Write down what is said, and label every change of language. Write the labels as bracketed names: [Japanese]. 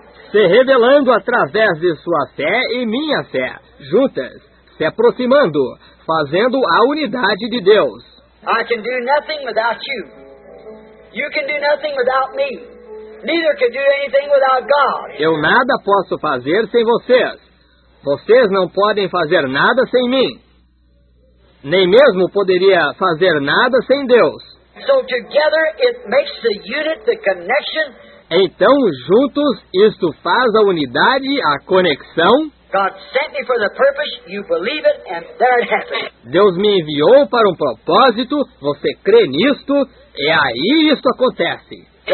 [Portuguese] Se revelando através de sua fé e minha fé, juntas, se aproximando, fazendo a unidade de Deus. [English] I can do nothing without you. You can do nothing without me. Neither can do anything without God. [Portuguese] Eu nada posso fazer sem vocês. Vocês não podem fazer nada sem mim. Nem mesmo poderia fazer nada sem Deus. [English] So together it makes the unit, the connection. [Portuguese] Então, juntos, isto faz a unidade, a conexão. [English] God sent me for the purpose, you believe it, and there it happens. [Portuguese] Deus me enviou para um propósito, você crê nisto, e aí isto acontece.